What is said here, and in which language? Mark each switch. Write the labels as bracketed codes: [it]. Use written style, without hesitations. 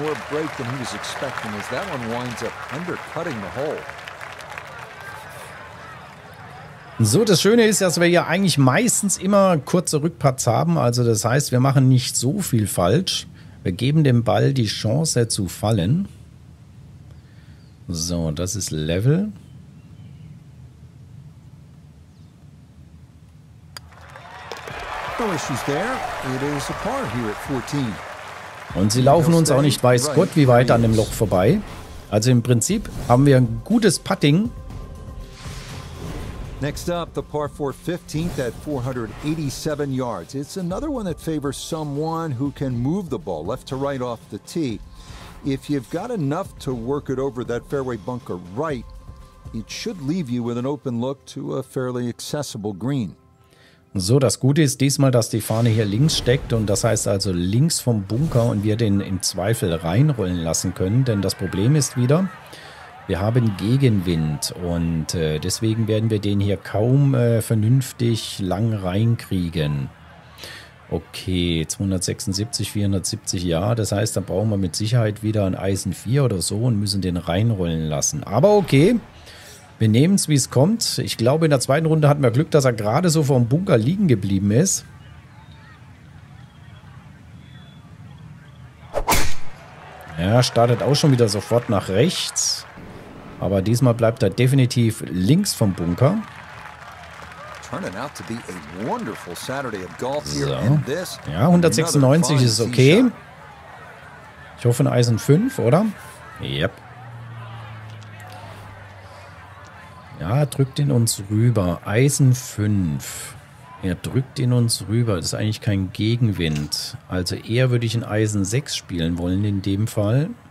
[en] Break than he was expecting as that one winds up undercutting the hole. [de] So, das Schöne ist, dass wir ja eigentlich meistens immer kurze Rückputts haben. Also das heißt, wir machen nicht so viel falsch. Wir geben dem Ball die Chance zu fallen. So, das ist Level. [en] No issues there. It is a par here at 14. [de] Und sie laufen uns auch nicht weiß Gott wie weit an dem Loch vorbei. Also im Prinzip haben wir ein gutes Putting. [en] Next up, the par 4 15th at 487 yards. It's another one that favors someone who can move the ball left to right off the tee. If you've got enough to work it over that fairway bunker right, it should leave you with an open look to a fairly accessible green. [de] So, das Gute ist diesmal, dass die Fahne hier links steckt und das heißt also links vom Bunker und wir den im Zweifel reinrollen lassen können, denn das Problem ist wieder, wir haben Gegenwind und deswegen werden wir den hier kaum vernünftig lang reinkriegen. Okay, 276, 470, ja, das heißt, da brauchen wir mit Sicherheit wieder ein Eisen 4 oder so und müssen den reinrollen lassen, aber okay. Wir nehmen es, wie es kommt. Ich glaube, in der zweiten Runde hatten wir Glück, dass er gerade so vor dem Bunker liegen geblieben ist. Er startet auch schon wieder sofort nach rechts. Aber diesmal bleibt er definitiv links vom Bunker. [en] Turning out to be a wonderful Saturday of golf here. [de] So. Ja, 196 ist okay. Ich hoffe, ein Eisen 5, oder? [en] Yep. [de] Ja, drückt ihn uns rüber. Eisen 5. Er drückt ihn uns rüber. Das ist eigentlich kein Gegenwind. Also eher würde ich ein Eisen 6 spielen wollen in dem Fall.